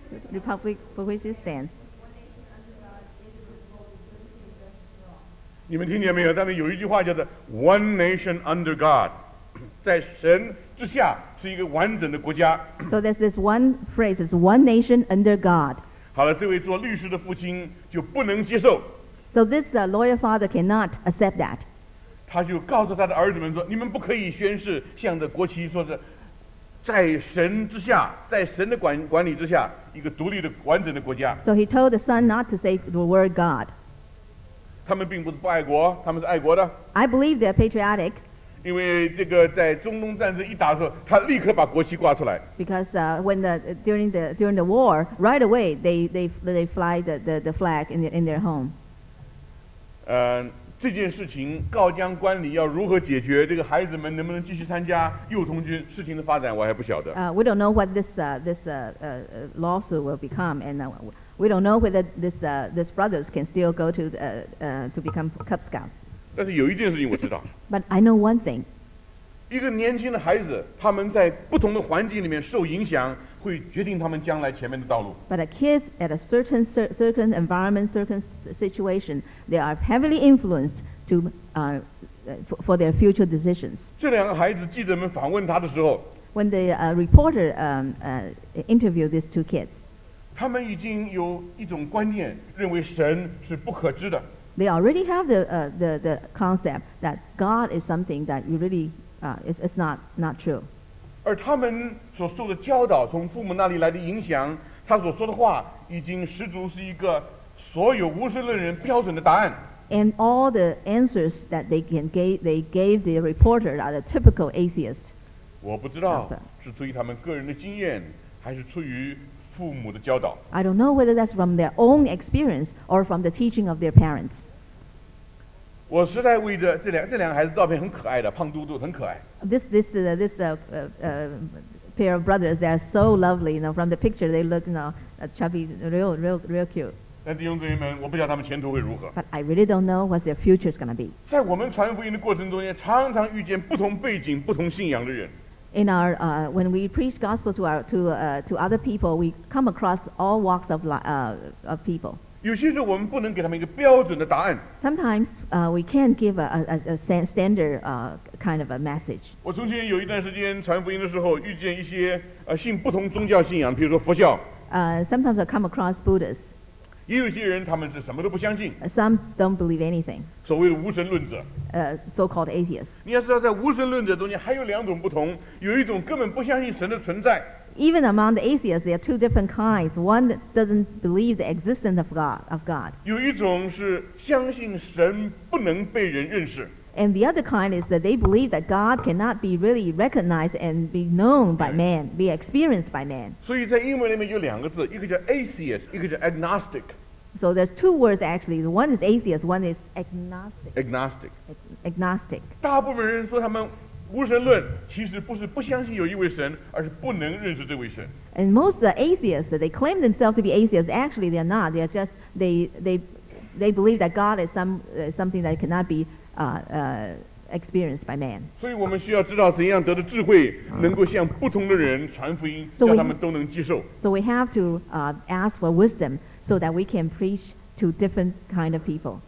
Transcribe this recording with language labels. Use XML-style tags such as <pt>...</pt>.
<en>Republic for which it stands.</en> <zh>你们听见没有？但是有一句话叫做</zh> <en>"One Nation Under God"，</en> <zh>在神之下是一个完整的国家。</zh> <en>So there's this one phrase: "It's one nation under God."</en> <zh>好了，这位做律师的父亲就不能接受。</zh> <en>So this lawyer father cannot accept that.</en> <zh>他就告诉他的儿子们说，你们不可以宣誓，向着国旗说是在神之下，在神的管理之下，一个独立的完整的国家。</zh> <en>So he told the son not to say the word God.</en> <zh>他们并不是不爱国，他们是爱国的。</zh> <en>I believe they're patriotic.</en> <zh>因为这个在中东战争一打的时候，他立刻把国旗挂出来。</zh> <en>Because when during the war, right away they fly the flag in their home.</en> <zh>这件事情告江官里要如何解决，这个孩子们能不能继续参加幼童军，事情的发展我还不晓得。</zh> <en>We don't know what this lawsuit will become, and we don't know whether this brothers can still go to become Cub Scouts.</en> <zh>但是有一件事情我知道。</zh> <en>But I know one thing.</en> <zh>一个年轻的孩子，他们在不同的环境里面受影响，会决定他们将来前面的道路。</zh> <en>But a kid at a certain environment, certain situation, they are heavily influenced to for their future decisions.</en> <zh>这两个孩子记者们访问他的时候，</zh> <en>When the reporter interviewed these two kids,</en> <zh>他们已经有一种观念，认为神是不可知的。</zh> <en>They already have the concept that God is something that you really it's not true.</en> <zh>而他们所受的教导，从父母那里来的影响，他所说的话已经十足是一个所有无神论人标准的答案。</zh> <en>And all the answers that they gave the reporter are the typical atheist.</en> <zh>我不知道是出于他们个人的经验，还是出于父母的教导。</zh> <en>I don't know whether that's from their own experience or from the teaching of their parents.</en> <zh>我实在为着这两个孩子照片很可爱的，胖嘟嘟，很可爱。</zh> <en>This pair of brothers, they are so lovely, you know, from the picture they look, you know, chubby, real cute.</en> <zh>但弟兄姊妹们，我不晓得他们前途会如何。</zh> <en>But I really don't know what their future is going to be.</en> <zh>在我们传福音的过程中间，常常遇见不同背景、不同信仰的人。</zh> <en>In our when we preach gospel to to other people, we come across all walks of people.</en> <zh>有些时候我们不能给他们一个标准的答案。</zh> <en>Sometimes we can't give a standard kind of a message.</en> <zh>我从前有一段时间传福音的时候，遇见一些信不同宗教信仰，比如说佛教。</zh> <en>Sometimes I come across Buddhists.</en> <zh>也有些人他们是什么都不相信。</zh> <en>Some don't believe anything.</en> <zh>所谓的无神论者。</zh> <en>So-called atheists.</en> <zh>你要知道，在无神论者中间还有两种不同，有一种根本不相信神的存在。</zh> <en>Even among the atheists, there are two different kinds. One doesn't believe the existence of God.</en> <zh>有一种是相信神不能被人认识。</zh> <en>And the other kind is that they believe that God cannot be really recognized and be known by man, be experienced by man.</en> <zh>所以在英文里面有两个字，一个叫 atheist, 一个叫 agnostic.</zh> <en>So there's two words actually. One is atheist, one is agnostic. Agnostic. Agnostic.</en> <zh>大部分人说他们无神论其实不是不相信有一位神，而是不能认识这位神。</zh> <en>And most atheists, they claim themselves to be atheists. Actually, they're not. They're just they believe that God is something that cannot be experienced by man.</en> <zh>所以我们需要知道怎样得的智慧，能够向不同的人传福音，叫他们都能接受。</zh> <en>So we have to ask for wisdom so that we can preach to different kind of people.</en>